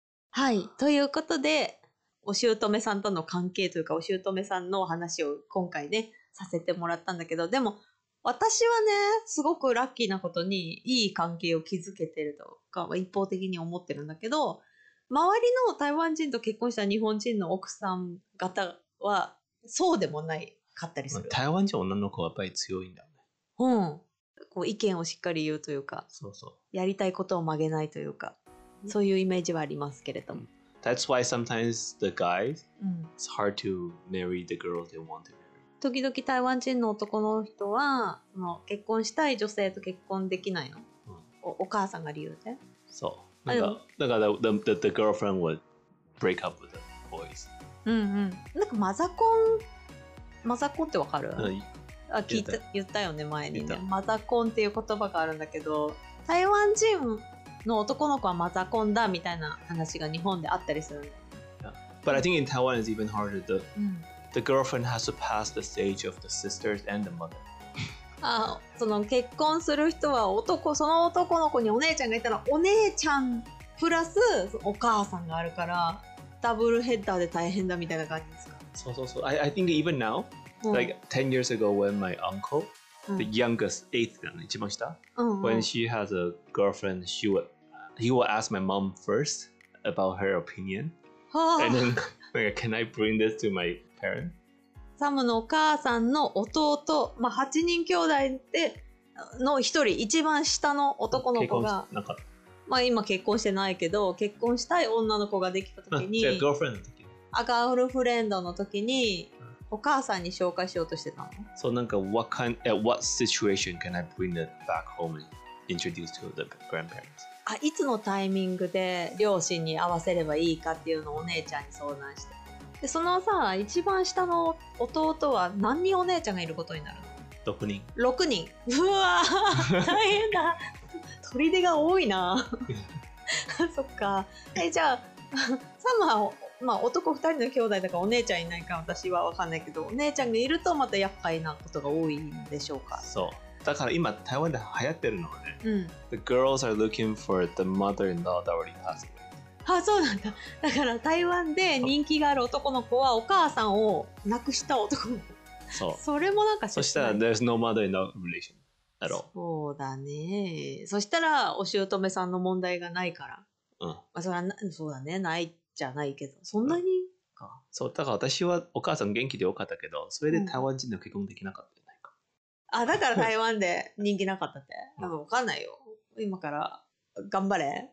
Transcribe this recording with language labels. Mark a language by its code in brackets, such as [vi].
[ja] はい、ということでお姑さんとの関係というか、お姑さんのお話を今回ねさせてもらったんだけど、でも私はねすごくラッキーなことにいい関係を築けてるとかは一方的に思ってるんだけど、周りの台湾人と結婚した日本人の奥さん方はそうでもないかったりする。台湾人女の子はやっぱり強いんだよね。うん、こう意見をしっかり言うというか、そうそう、やりたいことを曲げないというか、そういうイメージはありますけれども。 [en] That's why sometimes the guys, it's hard to marry the girl they want to marry. [ja] 時々台湾人の男の人は、もう結婚したい女性と結婚できないの。うん、お母さんが理由で。そう。 [en] なんか、the girlfriend would break up with the boys. [ja] うんうん。なんかマザコン、マザコンってわかる？あ、聞いた、言ったよね、前にね。マザコンっていう言葉があるんだけど、台湾人の男の子はマザコンだみたいな話が日本であったりする。 [en] Yeah. But I think in Taiwan it's even harder. The girlfriend has to pass the stage of the sisters and the mother. [ja] あ、その結婚する人は男、その男の子にお姉ちゃんがいたらお姉ちゃんプラスお母さんがあるからダブルヘッダーで大変だみたいな感じですか。そうそうそう。 [en] I think even now,、うん、like 10 years ago when my uncle,、うん、the youngest, eighth, [ja] 一番下、うんうん、 [en] when she has a girlfriend, he would ask my mom first about her opinion. And then, like, can I bring this to my parents? [ja] サムのお母さんの弟、まあ、8人兄弟での1人、一番下の男の子が、なんか、まあ、今結婚してないけど、結婚したい女の子ができた時に、ガールフレンドの時に、ガールフレンドの時に、お母さんに紹介しようとしてたの。 [en] そう、なんか、what kind, at what situation can I bring that back home and introduce to the grandparents? [ja] あ、いつのタイミングで両親に会わせればいいかっていうのをお姉ちゃんに相談して。でそのさ、一番下の弟は何人お姉ちゃんがいることになるの？ 6人。 6人。うわー、大変だ。砦が多いな。そっか。え、じゃあ、サムは、まあ、男2人の兄弟だからお姉ちゃんいないか私は分かんないけど、お姉ちゃんがいるとまた厄介なことが多いんでしょうか？そう。だから今、台湾で流行ってるのはね、うん、 [en] The girls are looking for the mother-in-law that already passed. [ja] あ、そうなんだ。だから台湾で人気がある男の子はお母さんを亡くした男の子。そう。それもなんかそしたら [en] there's no mother in the relation at all。 [ja] そうだね。そしたらお姑さんの問題がないから。うん。まあ、それはそうだね、ないじゃないけど、そんなにか、うん。そう、だから私はお母さん元気でよかったけど、それで台湾人の結婚できなかったじゃないか。うん、あ、だから台湾で人気なかったって。多分わかんないよ。今から。頑張れ。